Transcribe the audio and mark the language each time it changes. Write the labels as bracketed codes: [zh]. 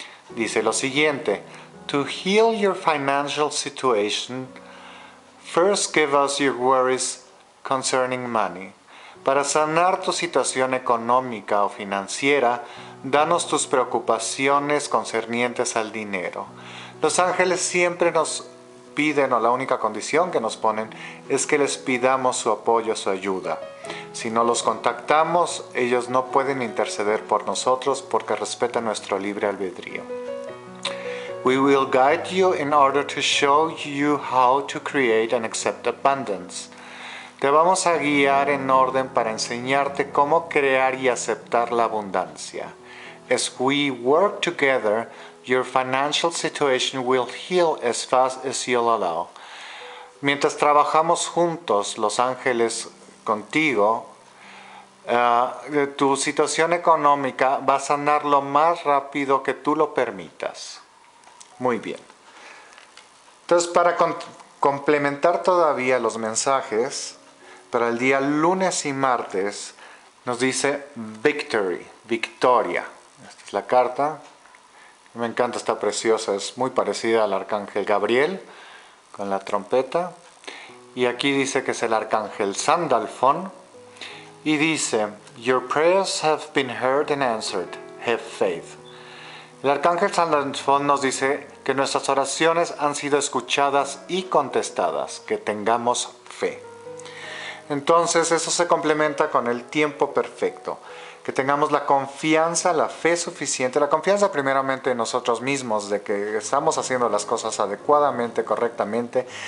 [es] Dice lo siguiente: [en] to heal your financial situation, first give us your worries concerning money. [es] Para sanar tu situación económica o financiera, danos tus preocupaciones concernientes al dinero. Los ángeles siempre nos piden, o la única condición que nos ponen, es que les pidamos su apoyo, su ayuda. Si no los contactamos, ellos no pueden interceder por nosotros porque respetan nuestro libre albedrío. [en] We will guide you in order to show you how to create and accept abundance. [es] Te vamos a guiar en orden para enseñarte cómo crear y aceptar la abundancia. [en] As we work together, your financial situation will heal as fast as you'll allow. [es] Mientras trabajamos juntos, los ángeles contigo, tu situación económica va a sanar lo más rápido que tú lo permitas. Muy bien. Entonces, para complementar todavía los mensajes, para el día lunes y martes, nos dice Victory, Victoria. Esta es la carta. Me encanta, está preciosa. Es muy parecida al arcángel Gabriel con la trompeta. Y aquí dice que es el arcángel Sandalfón. Y dice, [en] your prayers have been heard and answered. Have faith. [es] El arcángel Sandalfón nos dice que nuestras oraciones han sido escuchadas y contestadas. Que tengamos fe. Entonces, eso se complementa con el tiempo perfecto. Que tengamos la confianza, la fe suficiente. La confianza primeramente en nosotros mismos, de que estamos haciendo las cosas adecuadamente, correctamente.